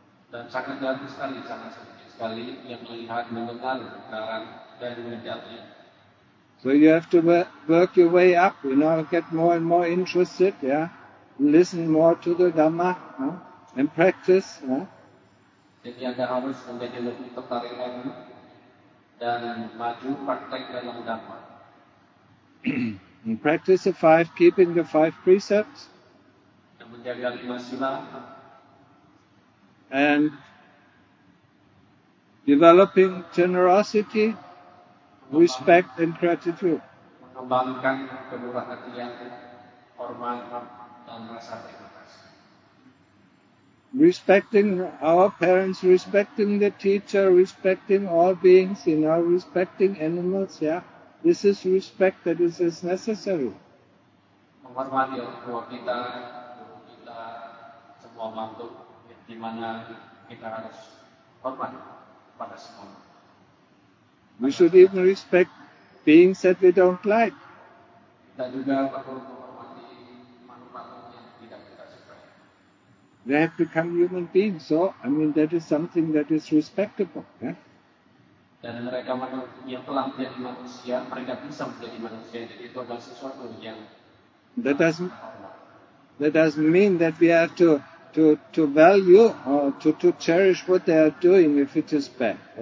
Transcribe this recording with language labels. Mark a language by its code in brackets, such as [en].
[id] Dan sangat sedikit sekali yang melihat, mendengar kebenaran dan menjadi. [en] So you have to work your way up, get more and more interested, listen more to the Dhamma, and practice. [id] Jadi Anda harus menjadi lebih tertarik lagi dan maju praktek dalam Dhamma. [en] And practice the five, keeping the five precepts. [id] menjaga lima sila, [en] and developing generosity, respect, and gratitude. [id] Mengembangkan kemurahan hati yang hormat dan rasa terima kasih. [en] Respecting our parents, respecting the teacher, respecting all beings, you know, respecting animals, yeah. This is respect that is necessary. [id] Menghormati orang tua kita, guru kita, semua makhluk di mana kita harus hormat pada semua. [en] We should even respect beings that we don't like. [id] Kita juga perlu menghormati makhluk-makhluk yang tidak kita suka. [en] They have become human beings, so I mean that is something that is respectable. Yeah? [id] Dan mereka yang telah menjadi manusia, mereka bisa menjadi manusia. Jadi itu adalah sesuatu yang [en] That doesn't mean that we have to value or to cherish what they are doing if it is bad.